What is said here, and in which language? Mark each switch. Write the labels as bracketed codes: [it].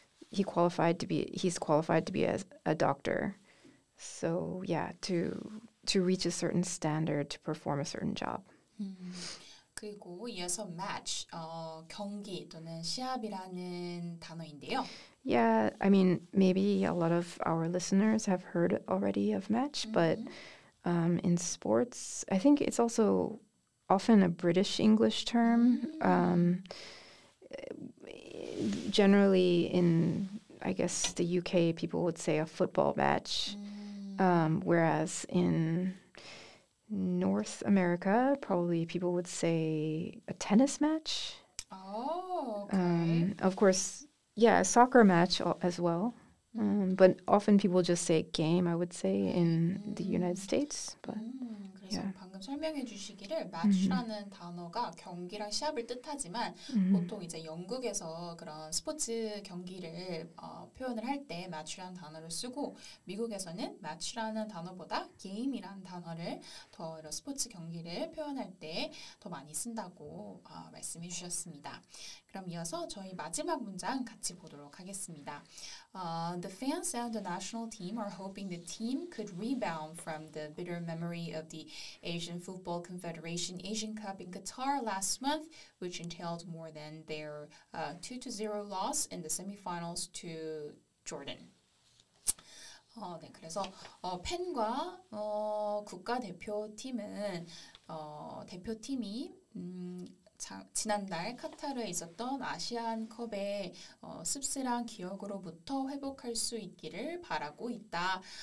[en] He's qualified to be a doctor. So yeah, to reach a certain standard to perform a certain job. Mm-hmm. [ko] 그리고 이어서 match, 경기 또는 시합이라는 단어인데요. [en] Yeah, I mean, maybe a lot of our listeners have heard already of match, but in sports, I think it's also often a British English term. Generally in, I guess, the UK, people would say a football match, whereas in North America, probably people would say a tennis match. Oh, okay. Of course, yeah, a soccer match as well. But often people just say game, I would say, in the United States. But, [ko] 그래서 yeah. 방금 설명해 주시기를 match라는 단어가 경기랑 시합을 뜻하지만 보통 이제 영국에서 그런 스포츠 경기를 표현을 할 때 match라는 단어를 쓰고 미국에서는 match라는 단어보다 game이라는 단어를 더 이런 스포츠 경기를 표현할 때 더 많이 쓴다고 말씀해 주셨습니다. 그럼 이어서 저희 마지막 문장 같이 보도록 하겠습니다. [en] The fans and the national team are hoping the team could rebound from the bitter memory of the Asian Football Confederation Asian Cup in Qatar last month, which entailed more than their 2-0 loss in the semifinals to Jordan. [ko] 네, 그래서 팬과 국가대표팀은 대표팀이 지난달 카타르에 있었던 아시안컵의 씁쓸한 기억으로부터 회복할 수 있기를 바라고 있다.